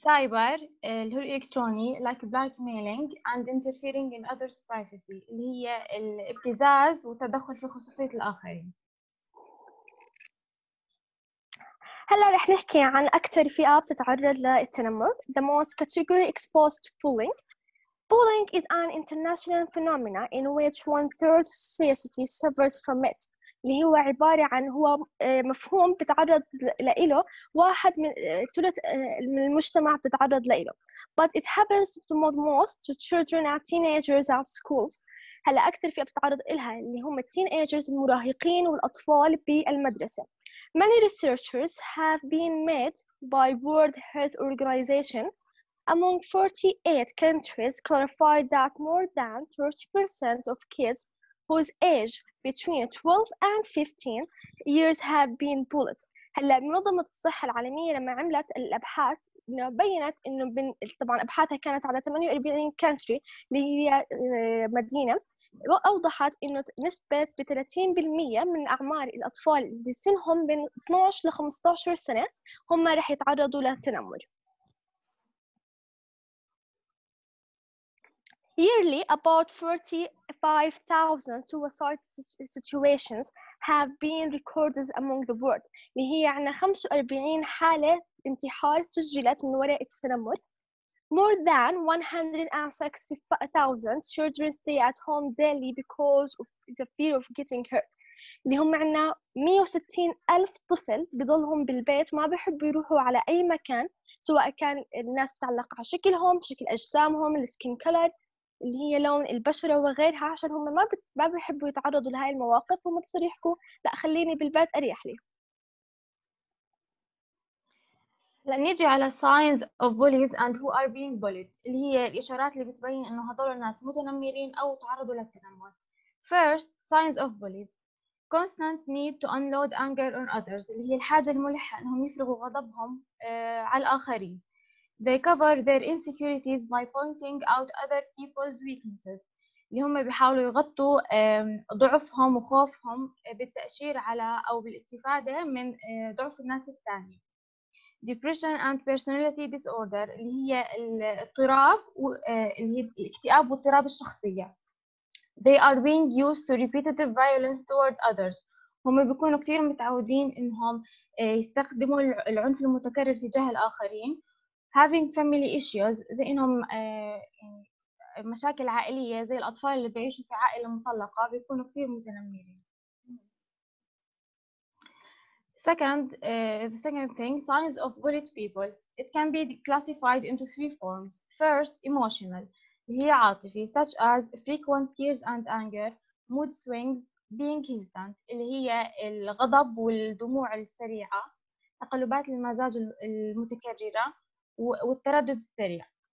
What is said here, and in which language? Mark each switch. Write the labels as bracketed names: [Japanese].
[Arabic] سايبر، اللي هو الإلكتروني، [English] like blackmailing and interfering in others' privacy، [Arabic] اللي هي الابتزاز والتدخل في خصوصية الآخرين. هلا رح نحكي عن أكثر فئة بتتعرض للتنمر. [English] The most category exposed to bullying. Bullying is an international phenomenon in which one third of society suffers from it. [Arabic] اللي هو عبارة عن هو مفهوم بتعرض لإله، واحد من ثلث من المجتمع بتتعرض لإله. [English] But it happens to most to children and teenagers at schools. [Arabic] هلا اكثر فئه بتعرض لها اللي هم التين ايجرز المراهقين والاطفال بالمدرسه. [English] Many researchers have been made by World Health Organization among 48 countries clarified that more than 30% of kids whose age between 12 and 15 years have been bullied. [Arabic] هلا منظمه الصحه العالميه لما عملت الابحاث انه بينت انه طبعا ابحاثها كانت على 48 كانتري اللي مدينه واوضحت انه نسبه ب 30% من اعمار الاطفال اللي سنهم من 12 ل 15 سنه هم راح يتعرضوا للتنمر. [English] Yearly about 45,000 suicide situations have been recorded among the world. [Arabic] اللي هي عنا 45 حالة انتحار سجلت من وراء التنمر. [English] More than 160,000 children stay at home daily because of the fear of getting hurt. [Arabic] اللي هم عنا 160,000 طفل بضلهم بالبيت ما بحبوا يروحوا على أي مكان سواء كان الناس بتعلق على شكلهم شكل أجسامهم السكين كولر اللي هي لون البشرة وغيرها عشان هم ما بيحبوا يتعرضوا لهاي المواقف وما بصير يحكوا لا خليني بالبيت أريح لي. لنيجي على [English] signs of bullies and who are being bullied [Arabic] اللي هي الإشارات اللي بتبين إنه هذول الناس متنمرين أو تعرضوا للتنمر. [English] First signs of bullies constant need to unload anger on others [Arabic] اللي هي الحاجة الملحة إنهم يفرغوا غضبهم على الآخرين. [English] They cover their insecurities by pointing out other people's weaknesses. [Arabic] اللي هم بيحاولوا يغطوا ضعفهم وخوفهم بالتأشير على أو بالاستفادة من ضعف الناس الثانية. [English] Depression and personality disorder [Arabic] اللي هي الاضطراب الاكتئاب واضطراب الشخصية. [English] They are being used to repetitive violence toward others. [Arabic] هم بيكونوا كتير متعودين إنهم يستخدموا العنف المتكرر تجاه الآخرين. [English] Having family issues [Arabic] زي إنهم مشاكل عائلية زي الأطفال اللي بيعيشوا في عائلة مطلقة بيكونوا كتير متنمرين. [English] The second thing signs of bullied people it can be classified into three forms. First emotional [Arabic] هي عاطفي [English] such as frequent tears and anger, mood swings, being hesitant [Arabic] اللي هي الغضب والدموع السريعة تقلبات المزاج المتكررة والتردد السريع.